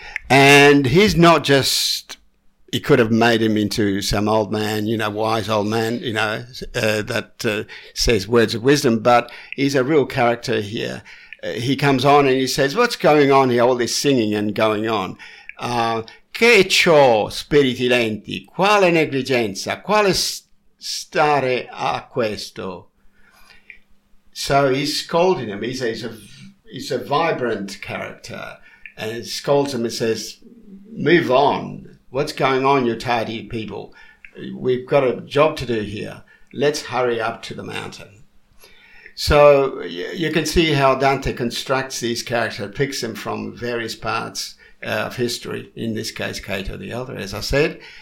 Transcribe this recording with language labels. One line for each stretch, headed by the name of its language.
English: And he's not just, he could have made him into some old man, you know, wise old man, you know, that says words of wisdom, but he's a real character here. He comes on and he says, what's going on here, all this singing and going on?
Italian: Che ciò, spiriti lenti, quale negligenza, quale stare a questo?
English: So he's scolding him. He's a vibrant character, and he scolds him and says, move on. What's going on, you tardy people? We've got a job to do here. Let's hurry up to the mountain. So you can see how Dante constructs these characters, picks them from various parts of history, in this case, Cato the Elder, as I said.